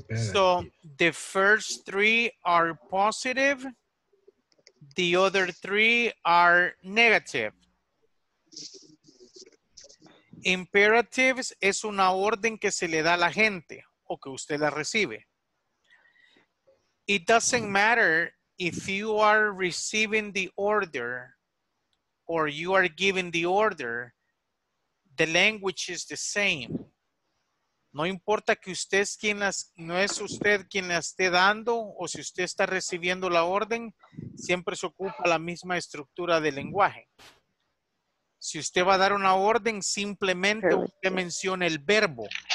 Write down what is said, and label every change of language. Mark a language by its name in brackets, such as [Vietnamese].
[English] So the first three are positive, the other three are negative. [Spanish] Imperatives es una orden que se le da a la gente o que usted la recibe. [English] It doesn't matter if you are receiving the order or you are giving the order, the language is the same. [Spanish] No importa que usted es quien las, no es usted quien la esté dando o si usted está recibiendo la orden, siempre se ocupa la misma estructura del lenguaje. Si usted va a dar una orden, simplemente usted menciona el verbo.